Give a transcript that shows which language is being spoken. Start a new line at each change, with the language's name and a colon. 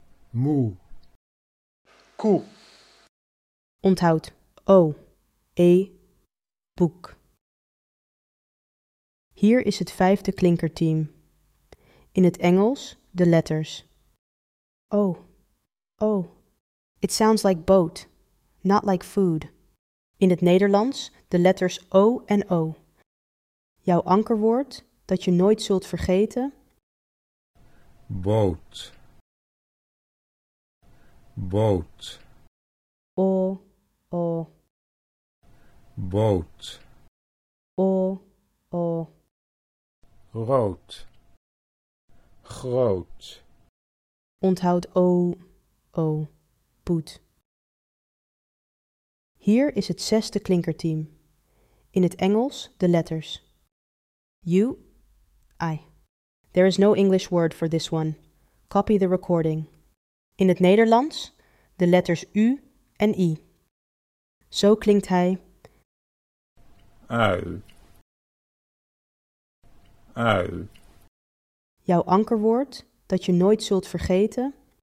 Dutch: Moe. Koe. Onthoud. O. E. Boek. Hier is het vijfde klinkerteam. In het Engels de letters.
English: O. O. It sounds like boat, not like food.
Dutch: In het Nederlands de letters O en O. Jouw ankerwoord dat je nooit zult vergeten. Boot. Boot. O. O. Boot. O. O. Rood. Groot. Onthoud O. O. Boet. Hier is het zesde klinkerteam. In het Engels de letters.
English: U. I. There is no English word for this one. Copy the recording.
Dutch: In het Nederlands de letters U en I. Zo klinkt hij. Ui. Ui. Jouw ankerwoord dat je nooit zult vergeten.